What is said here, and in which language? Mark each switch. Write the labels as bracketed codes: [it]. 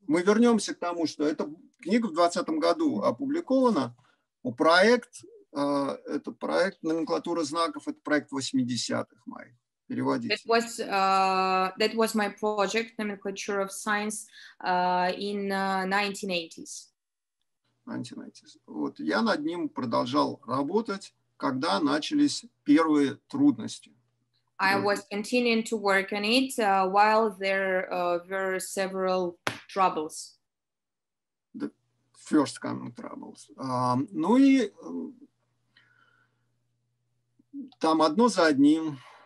[ru] Мы вернемся к тому, что эта книга в 2020 году опубликована. Это проект номенклатура знаков, это проект 80-х моих. Переводите. [en] That was my project, Nomenclature of Science, in 1980s. [ru] Вот я над ним продолжал работать, когда начались первые трудности. [en] I was continuing to work on it while there were several troubles. The first coming troubles. [ru] Ну и там одно за одним.